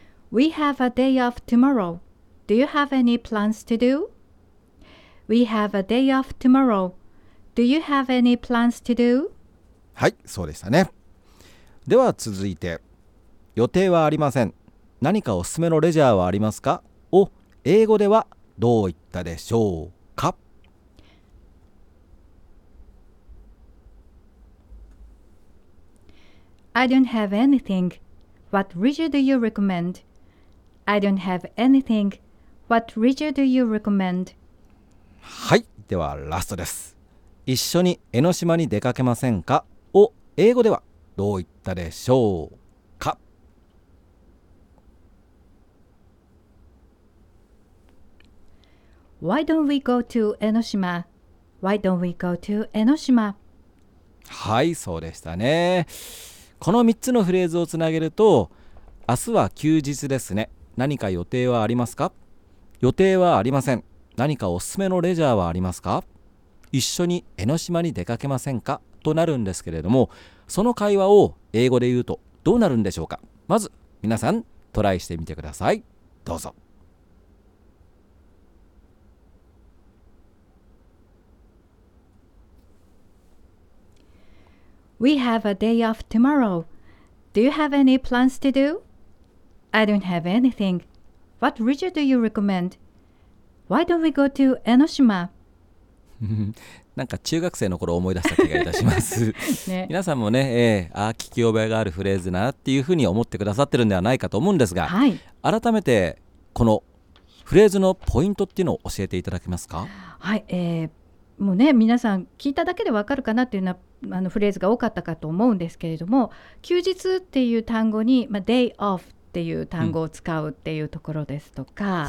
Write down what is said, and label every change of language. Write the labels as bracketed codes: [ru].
[en] We have a day off tomorrow. Do you have any plans to do? We have a day off tomorrow. Do you have any plans to do? [ja] はい、そうでしたね。では続いて、予定はありません、何かおすすめのレジャーはありますか、を英語ではどう言ったでしょうか。 [en] I don't have anything. What leisure do you recommend? I don't have anything. What leisure do you recommend? [ja] はい、ではラストです。一緒に江ノ島に出かけませんか、を英語ではどう言ったでしょう。 [en] Why don't we go to 江ノ島? Why don't we go to 江ノ島? [ja] はい、そうでしたね。この3つのフレーズをつなげると、明日は休日ですね、何か予定はありますか、予定はありません、何かおすすめのレジャーはありますか、一緒に江ノ島に出かけませんか、となるんですけれども、その会話を英語で言うとどうなるんでしょうか。まず皆さんトライしてみてください。どうぞ。 [en] We have a day off tomorrow. Do you have any plans to do? I don't have anything. What leisure do you recommend? Why don't we go to 江ノ島? [ja] なんか中学生の頃思い出した気がいたします、ね、皆さんもね、聞き覚えがあるフレーズなっていうふうに思ってくださってるんではないかと思うんですが、はい、改めてこのフレーズのポイントっていうのを教えていただけますか。はい、もうね、皆さん聞いただけでわかるかなっていうのはあのフレーズが多かったかと思うんですけれども、休日っていう単語に、まあ、day off っていう単語を使うっていうところですとか、